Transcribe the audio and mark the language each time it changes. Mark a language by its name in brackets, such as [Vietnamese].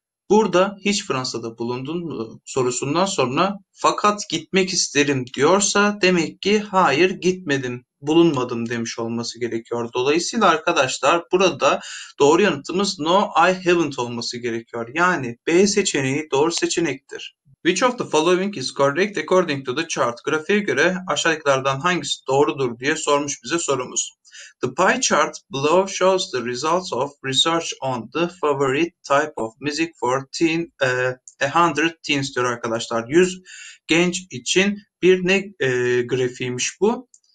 [Turkish] Burada hiç Fransa'da bulundun mu sorusundan sonra fakat gitmek isterim diyorsa demek ki hayır gitmedim, bulunmadım demiş olması gerekiyor. Dolayısıyla arkadaşlar burada doğru yanıtımız [English] no I haven't [Turkish] olması gerekiyor. Yani B seçeneği doğru seçenektir. [English] Which of the following is correct according to the chart? [Turkish] Grafiğe göre aşağıdakilerden hangisi doğrudur diye sormuş bize sorumuz. [English] The pie chart below shows the results of research on the favorite type of music for a hundred teens [Turkish] diyor arkadaşlar. 100 genç için bir ne grafiğiymiş bu?